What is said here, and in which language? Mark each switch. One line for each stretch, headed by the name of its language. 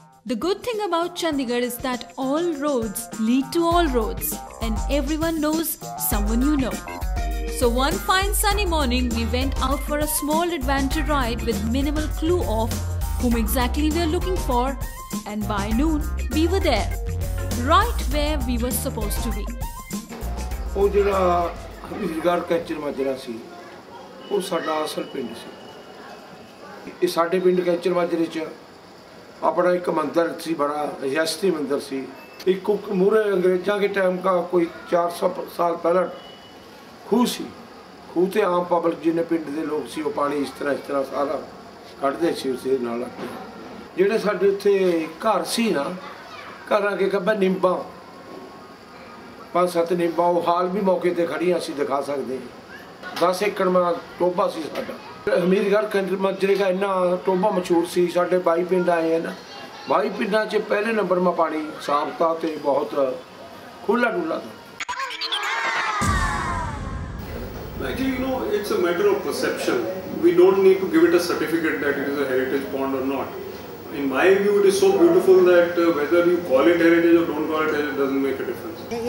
English: The good thing about Chandigarh is that all roads lead to all roads, and everyone knows someone you know. So one fine sunny morning, we went out for a small adventure ride with minimal clue of whom exactly we are looking for, and by noon, we were there, right where we were supposed to be.
Punjabi: ਉਹ ਜਿਹੜਾ ਹਬੀਬਗੜ੍ਹ catcher Majra ਸੀ ਉਹ ਸਾਡਾ ਅਸਲ ਪਿੰਡ ਸੀ ਇਹ ਸਾਡੇ ਪਿੰਡ catcher ਮਾਜਰੇ 'ਚ ਆਪਣਾ ਇੱਕ ਮੰਦਰ ਸੀ ਬੜਾ ਰਿਆਸਤੀ ਮੰਦਰ ਸੀ ਇੱਕ ਮੂਹਰੇ ਅੰਗਰੇਜ਼ਾਂ ਦੇ ਟਾਈਮ ਕਾ ਕੋਈ 400 ਸਾਲ ਪਹਿਲਾਂ ਖੂਹ ਸੀ ਖੂਹ 'ਤੇ ਆਮ ਪਬਲਿਕ ਜਿੰਨੇ ਪਿੰਡ ਦੇ ਲੋਕ ਸੀ ਉਹ ਪਾਣੀ ਇਸ ਤਰ੍ਹਾਂ ਸਾਰਾ ਕੱਢਦੇ ਸੀ ਉਸ ਨਾਲ ਜਿਹੜੇ ਸਾਡੇ ਉੱਥੇ ਘਰ ਸੀ ਨਾ ਘਰਾਂ ਕੇ ਕੱਬੇ ਨਿੰਬਾਂ ਪੰਜ ਸੱਤ ਨਿੰਬਾਂ ਉਹ ਹਾਲ ਵੀ ਮੌਕੇ 'ਤੇ ਖੜ੍ਹੀਆਂ ਅਸੀਂ ਦਿਖਾ ਸਕਦੇ 10 ਏਕੜ ਮਾ ਟੋਭਾ ਸੀ ਸਾਡਾ ਹਮੀਰਗੜ੍ਹ ਕੈਂਟਰ ਮਾਜਰੇ ਦਾ ਇੰਨਾ ਟੋਭਾ ਮਸ਼ਹੂਰ ਸੀ ਸਾਡੇ 22 ਪਿੰਡ ਆਏ ਹੈ ਨਾ 22 ਪਿੰਡਾਂ 'ਚ ਪਹਿਲੇ ਨੰਬਰ ਮਾ ਪਾਣੀ ਸਾਫਤਾ ਅਤੇ ਬਹੁਤ ਖੁੱਲ੍ਹਾ ਡੁੱਲਾ ਸੀ
English: Like, you know, it's a matter of perception. We don't need to give it a certificate that it is a heritage pond or not. In my view, it is so beautiful that whether you call it heritage or don't call it heritage, it doesn't make a difference.